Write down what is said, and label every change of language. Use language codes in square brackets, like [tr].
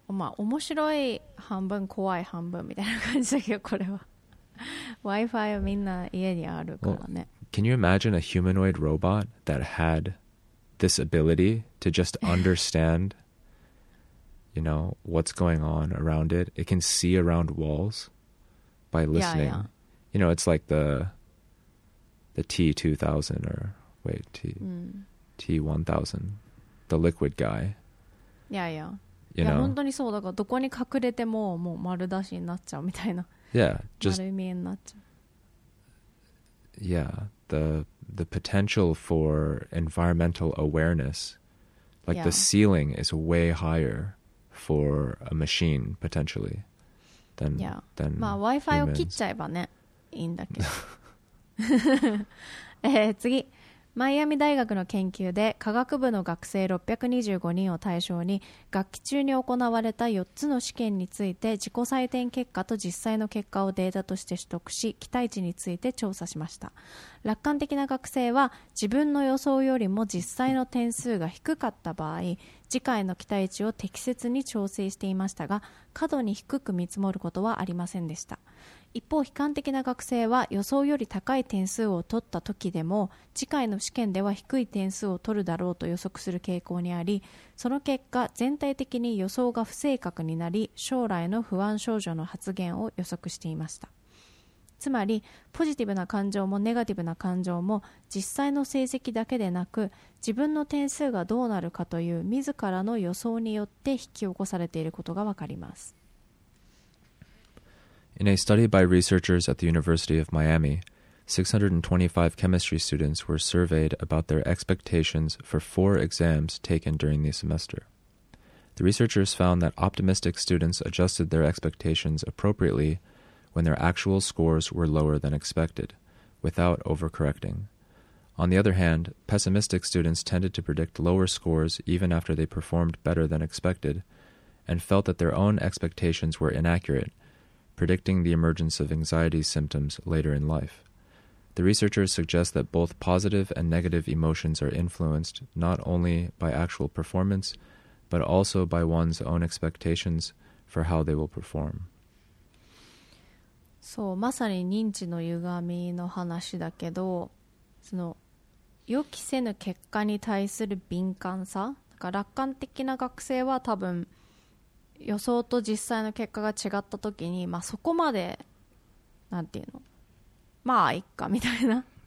[ja] まあ、面白い半分、怖い半分みたいな感じだけど、これは。 Wi-Fi はみんな家にあるからね。 [en] Well, can you imagine a humanoid robot that had this ability to just understand, you know, what's going on around it? It can see around walls. By listening, you know, it's like the T2000 or wait, T1000, the liquid guy. Yeah, yeah. You know? [ja] 本当にそうだからどこに隠れてももう丸出しになっちゃうみたいな。 [en] Yeah, just [ja] 丸見えになっちゃう。 [en] Yeah, the potential for environmental awareness, like the ceiling is way higher for a machine potentially. Then, [ja] まあ、Wi-Fi を切っちゃえばね、いいんだけど。次、マイアミ大学の研究で科学部の学生625人を対象に学期中に行われた4つの試験について自己採点結果と実際の結果をデータとして取得し期待値について調査しました。楽観的な学生は自分の予想よりも実際の点数が低かった場合次回の期待値を適切に調整していましたが過度に低く見積もることはありませんでした。一方悲観的な学生は予想より高い点数を取った時でも次回の試験では低い点数を取るだろうと予測する傾向にありその結果全体的に予想が不正確になり将来の不安症状の発現を予測していました。つまりポジティブな感情もネガティブな感情も実際の成績だけでなく自分の点数がどうなるかという自らの予想によって引き起こされていることがわかります。 [en] In a study by researchers at the University of Miami, 625 chemistry students were surveyed about their expectations for four exams taken during the semester. The researchers found that optimistic students adjusted their expectations appropriately when their actual scores were lower than expected, without overcorrecting. On the other hand, pessimistic students tended to predict lower scores even after they performed better than expected, and felt that their own expectations were inaccurate. Predicting the emergence of anxiety symptoms later in life. The researchers suggest that both positive and negative emotions are influenced not only by actual performance, but also by one's own expectations for how they will perform. [ja] そう、まさに認知の歪みの話だけど、その予期せぬ結果に対する敏感さ、だから楽観的な学生は多分予想と実際の結果が違った時に、まあ、そこまでなんていうのまあいっかみたいな、